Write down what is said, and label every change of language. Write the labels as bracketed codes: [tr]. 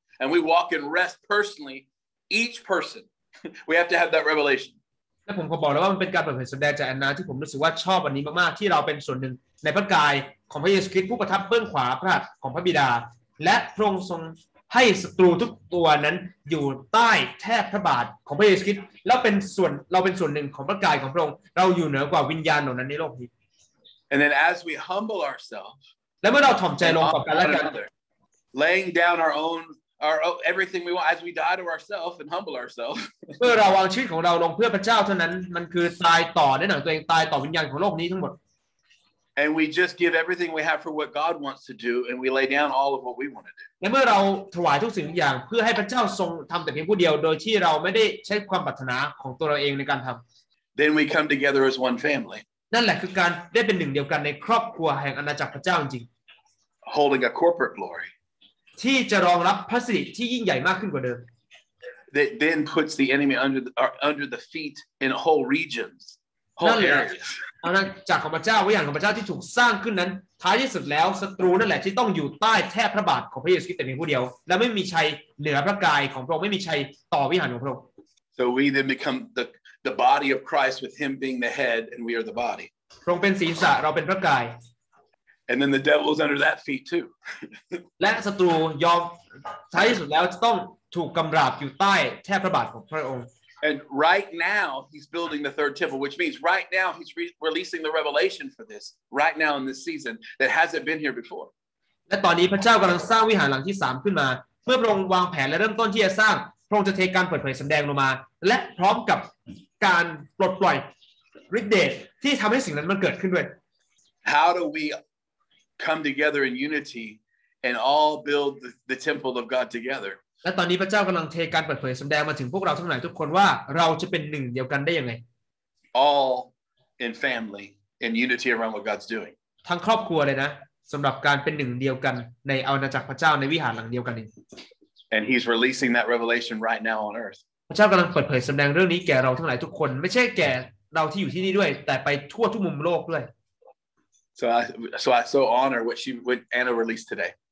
[en] And we walk and rest personally, each person. We have to have that revelation. And I'm going to say that it's a great revelation from Anna that I feel like I love this very much, that we are a part of the body of Jesus Christ, who is the right hand of the Lord. And the Lord has given the truth of the Lord to be under the body of Jesus Christ. [th] เราเป็นส่วนเราเป็นส่วนหนึ่งของพระกายของพระองค์เราอยู่เหนือกว่าวิญญาณเหล่านั้นในโลกนี้ [en] And then as we humble ourselves [th] และเมื่อเราถ่อมใจลงต่อกันและกัน [en] laying down our everything we want as we die to ourselves and humble ourselves [th] เมื่อเราวางชีวิตของเราลงเพื่อพระเจ้าเท่านั้นมันคือตายต่อในหนังตัวเองตายต่อวิญญาณของโลกนี้ทั้งหมด [en] And we just give everything we have for what God wants to do, and we lay down all of what we want to do. [th] และเมื่อเราถวายทุกสิ่งทุกอย่างเพื่อให้พระเจ้าทรงทำแต่เพียงผู้เดียวโดยที่เราไม่ได้ใช้ความปรารถนาของตัวเราเองในการทำ [en] Then we come together as one family. [th] นั่นแหละคือการได้เป็นหนึ่งเดียวกันในครอบครัวแห่งอาณาจักรพระเจ้าจริง [en] Holding a corporate glory. [th] ที่จะรองรับพระสิริที่ยิ่งใหญ่มากขึ้นกว่าเดิม [en] That then puts the enemy under the feet in whole regions. [th] นั่นแหละจากของพระเจ้าวิญญาณของพระเจ้าที่ถูกสร้างขึ้นนั้นท้ายที่สุดแล้วศัตรูนั่นแหละที่ต้องอยู่ใต้แทบพระบาทของพระเยซูคริสต์แต่เพียงผู้เดียวและไม่มีชัยเหนือพระกายของพระองค์ไม่มีชัยต่อวิหารของพระองค์ [en] So we then become the body of Christ with him being the head and we are the body [th] พระองค์เป็นศีรษะเราเป็นพระกาย [en] And then the devil is under that feet too [th] และศัตรูยอมท้ายที่สุดแล้วจะต้องถูกกำราบอยู่ใต้แทบพระบาทของพระองค์ [en] And right now he's building the third temple, which means right now he's releasing the revelation for this right now in this season that hasn't been here before. [th] และตอนนี้พระเจ้ากำลังสร้างวิหารหลังที่สามขึ้นมาเมื่อพระองค์วางแผนและเริ่มต้นที่จะสร้างพระองค์จะเทการเปิดเผยสำแดงลงมาและพร้อมกับการปลดปล่อยฤทธิ์เดชที่ทำให้สิ่งนั้นมันเกิดขึ้นด้วย [en] How do we come together in unity and all build the temple of God together? [th] และตอนนี้พระเจ้ากำลังเทการเปิดเผยสำแดงมาถึงพวกเราทั้งหลายทุกคนว่าเราจะเป็นหนึ่งเดียวกันได้ยังไง [en] All in family in unity around what God's doing [th] ทั้งครอบครัวเลยนะสำหรับการเป็นหนึ่งเดียวกันในอาณาจักรพระเจ้าในวิหารหลังเดียวกันเอง [en] And He's releasing that revelation right now on earth [th] พระเจ้ากำลังเปิดเผยสำแดงเรื่องนี้แก่เราทั้งหลายทุกคนไม่ใช่แก่เราที่อยู่ที่นี่ด้วยแต่ไปทั่วทุกมุมโลกด้วย [en] So I honor what Anna released today